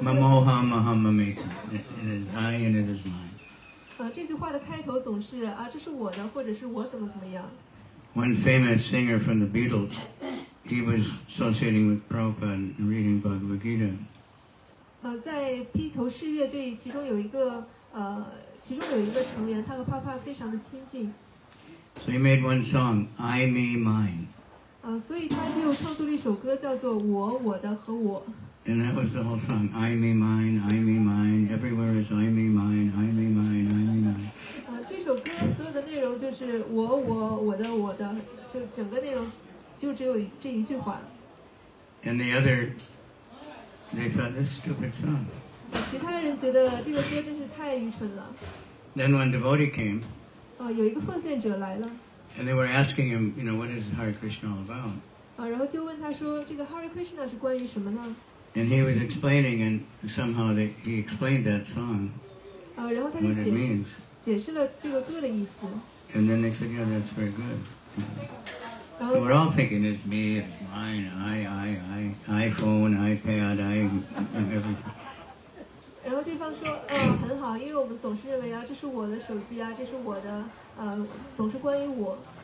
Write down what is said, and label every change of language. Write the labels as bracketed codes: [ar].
[en] ，Mamoha Mahamamika, it is I and it is mine. [zh] 这句话的开头总是啊，这是我的，或者是我怎么怎么样。 [en] One famous singer from the Beatles, he was associating with Prabhupada and reading Bhagavad Gita. [zh] 在披头士乐队其中有一个其中有一个成员，他和帕帕非常的亲近。 [en] So he made one song, I, Me, Mine. [zh] 所以他就创作了一首歌，叫做《我、我的和我》。 [en] And that was the whole song, I, Me, Mine, I, Me, Mine. Everywhere is I, Me, Mine, I, Me, Mine, I, Me, Mine. [zh] 这首歌所有的内容就是我、我、我的、我的，就整个内容就只有这一句话。 [en] And the other, they thought this stupid song. [zh] 其他人觉得这个歌真是太愚蠢了。 [en] Then when devotee came, [zh] 有一个奉献者来了。 [en] And they were asking him, you know, what is Hare Krishna all about? [zh] 然后就问他说，这个 Hare Krishna 是关于什么呢？ [en] And he was explaining, and somehow he explained that song. [zh] 然后他就解释 [en] what it means. [zh] 解释了这个歌的意思。 [en] And then they said, yeah, that's very good. So we're all thinking it's me, it's mine, I, iPhone, iPad, I, everything. [zh] 然后对方说，很好，因为我们总是认为啊，这是我的手机啊，这是我的，总是关于我。